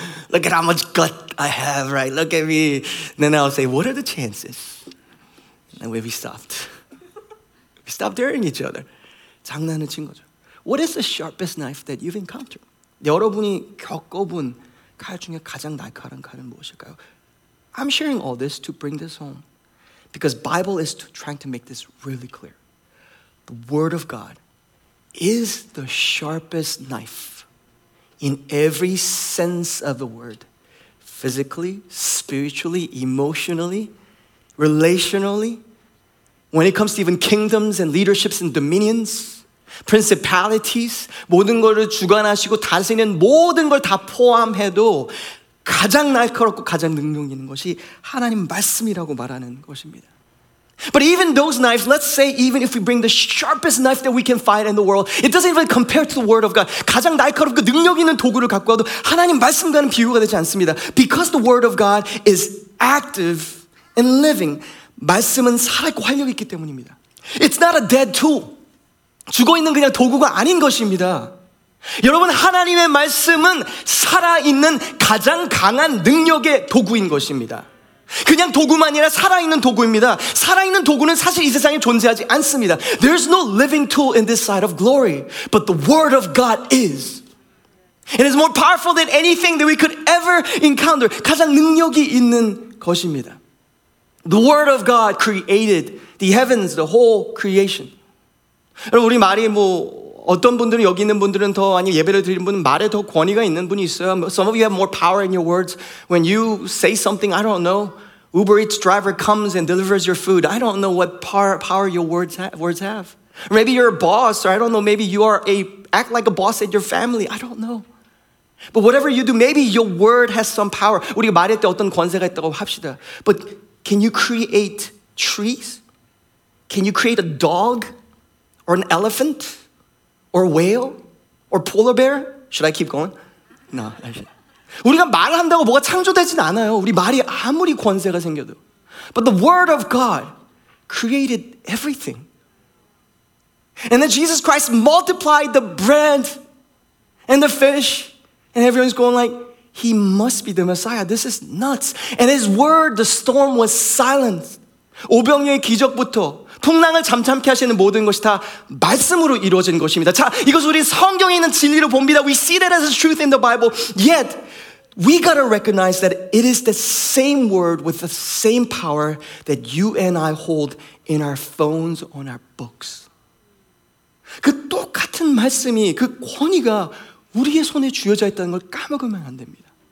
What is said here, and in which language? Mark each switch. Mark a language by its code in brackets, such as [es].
[en] Look at how much gut I have, right? Look at me. And then I'll say, what are the chances? And we stopped. We stopped daring each other. [ko] 장난을 친 거죠. [en] What is the sharpest knife that you've encountered? [ko] 여러분이 겪어본 칼 중에 가장 날카로운 칼은 무엇일까요? [en] I'm sharing all this to bring this home. Because Bible is trying to make this really clear. The Word of God is the sharpest knife in every sense of the word. Physically, spiritually, emotionally, relationally. When it comes to even kingdoms and leaderships and dominions, principalities, [ko] 모든 걸 주관하시고 다스리는 모든 걸 다 포함해도 가장 날카롭고 가장 능력 있는 것이 하나님 말씀이라고 말하는 것입니다. [en] But even those knives, let's say even if we bring the sharpest knife that we can find in the world, it doesn't even compare to the word of God. [ko] 가장 날카롭고 능력 있는 도구를 갖고 와도 하나님 말씀과는 비교가 되지 않습니다. [en] Because the word of God is active and living. [ko] 말씀은 살아있고 활력이 있기 때문입니다. [en] It's not a dead tool. [ko] 죽어있는 그냥 도구가 아닌 것입니다. 여러분, 하나님의 말씀은 살아있는 가장 강한 능력의 도구인 것입니다. 그냥 도구만 아니라 살아있는 도구입니다. 살아있는 도구는 사실 이 세상에 존재하지 않습니다. [en] There's no living tool in this side of glory, but the word of God is. It is more powerful than anything that we could ever encounter. [ko] 가장 능력이 있는 것입니다. [en] The word of God created the heavens, the whole creation. [ko] 여러분, 우리 말이 뭐 어떤 분들은 여기 있는 분들은 더 아니 예배를 드리는 분은 말에 더 권위가 있는 분이 있어요. [en] Some of you have more power in your words. When you say something, I don't know. Uber Eats driver comes and delivers your food. I don't know what power your words have. Maybe you're a boss, or I don't know. Maybe you are act like a boss at your family. I don't know. But whatever you do, maybe your word has some power. [ko] 우리가 말할 때 어떤 권세가 있다고 합시다. [en] But can you create trees? Can you create a dog or an elephant? Or whale? Or polar bear? Should I keep going? No. [ko] 우리가 말한다고 뭐가 창조되진 않아요. 우리 말이 아무리 권세가 생겨도. [en] But the word of God created everything. And then Jesus Christ multiplied the bread and the fish. And everyone's going like, he must be the Messiah. This is nuts. And his word, the storm was silenced. [ko] 오병이어의 기적부터 풍랑을 잠잠케 하시는 모든 것이 다 말씀으로 이루어진 것입니다. 자, 이것을 우리 성경에 있는 진리로 봅니다. [en] We see that as a truth in the Bible. Yet, we gotta recognize that it is the same word with the same power that you and I hold in our phones, on our books. [ko] 그 똑같은 말씀이, 그 권위가 우리의 손에 쥐어져 있다는 걸 까먹으면 안 됩니다.